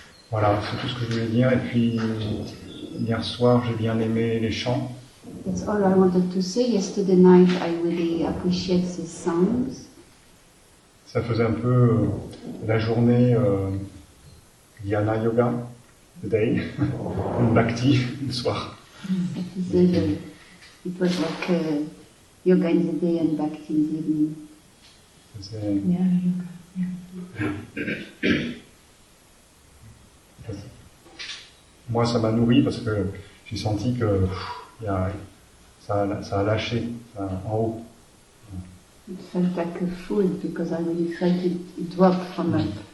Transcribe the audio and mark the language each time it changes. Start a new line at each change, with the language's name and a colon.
French: Voilà, c'est tout ce que je voulais dire. Et puis, hier soir, j'ai bien aimé les chants.
English: That's all I wanted to say. Yesterday night, I really appreciate these songs.
French: Ça faisait un peu la journée Dhyana Yoga.
English: The day,
French: une bhakti, le soir.
English: It was like yoga in the day and bhakti in the evening. Yeah, yoga.
French: Moi, ça m'a nourri parce que j'ai senti que ça a lâché ça, en haut.
English: It felt like a food because I really felt it, it dropped from up.